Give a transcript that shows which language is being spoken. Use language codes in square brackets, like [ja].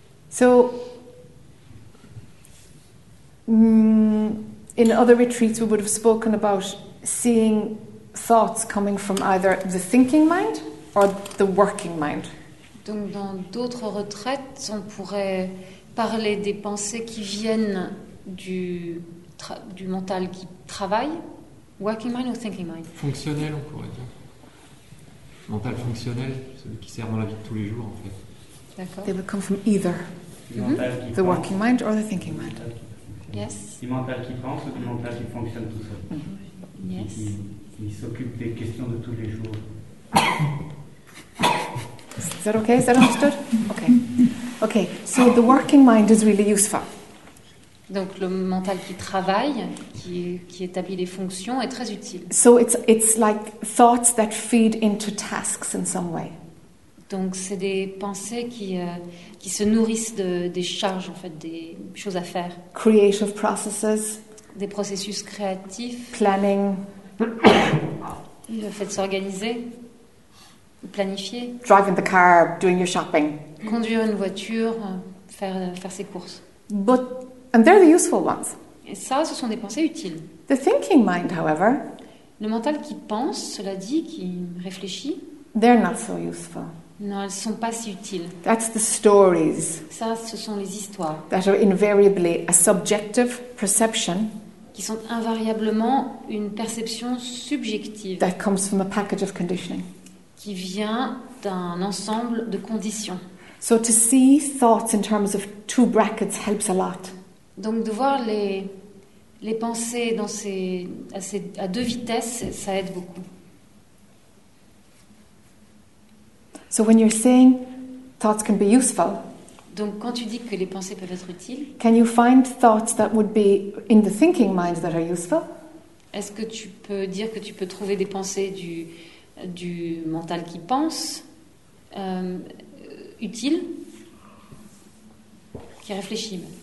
[en] So, in other retreats, we would have spoken about seeing thoughts coming from either the thinking mind or the working mind. [fr] Donc, dans d'autres retraites, on pourrait parler des pensées qui viennent du mental qui travaille, working mind ou thinking mind? Fonctionnel, on pourrait dire. Mental fonctionnel, celui qui sert dans la vie de tous les jours, en fait. D'accord. [en] They would come from either the working mind or the thinking mind. Yes. [fr] Du mental qui pense ou du mental qui fonctionne tout seul. [en] Yes. [fr] Qui s'occupe des questions de tous les jours. [en] Is that okay? Is that understood? Okay. Okay. So the working mind is really useful. [fr] Donc le mental qui travaille, qui établit les fonctions, est très utile. [en] So it's like thoughts that feed into tasks in some way. [fr] Donc c'est des pensées qui se nourrissent des charges, en fait, des choses à faire. [en] Creative processes. [fr] Des processus créatifs. [en] Planning. [fr] Le fait de s'organiser. Planifier. [en] Driving the car, doing your shopping. [fr] Conduire une voiture, faire ses courses. [en] But, and they're the useful ones. [fr] Et ça, ce sont des pensées utiles. [en] The thinking mind, however. [fr] Le mental qui pense, cela dit, qui réfléchit. [en] They're not so useful. [fr] Non, elles ne sont pas si utiles. [en] That's the stories. [fr] Ça, ce sont les histoires. [en] That are invariably a subjective perception. [fr] Qui sont invariablement une perception subjective. [en] That comes from a package of conditioning. [fr] Qui vient d'un ensemble de conditions. [en] So to see thoughts in terms of two brackets helps a lot. [fr] Donc de voir les pensées dans à deux vitesses, ça aide beaucoup. [en] So when you're saying thoughts can be useful, [fr] donc quand tu dis que les pensées peuvent être utiles, [en] can you find thoughts that would be in the thinking mind that are useful? [fr] Est-ce que tu peux dire que tu peux trouver des pensées du mental qui pense utiles, qui réfléchissent?